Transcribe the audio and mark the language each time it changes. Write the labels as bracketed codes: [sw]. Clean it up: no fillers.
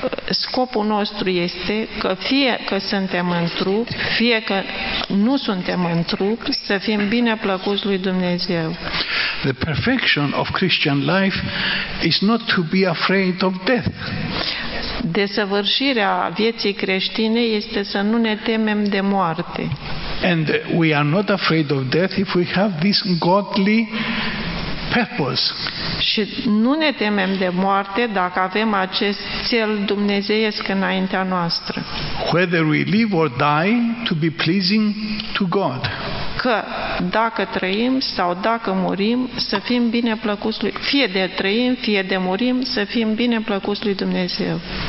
[ro] Scopul nostru este că fie că suntem în trup, fie că nu suntem în trup, să fim bine plăcuți lui Dumnezeu. [en] The perfection of Christian life is not to be afraid of death. [ro] Desăvârșirea vieții creștine este să nu ne temem de moarte. [en] And we are not afraid of death if we have this godly purpose. [ro] Și nu ne temem de moarte dacă avem acest țel dumnezeiesc înaintea noastră. [en] Whether we live or die, to be pleasing to God. [ro] Că dacă trăim sau dacă murim, să fim bine plăcuți lui, fie de trăim, fie de murim, să fim bine plăcuți lui Dumnezeu.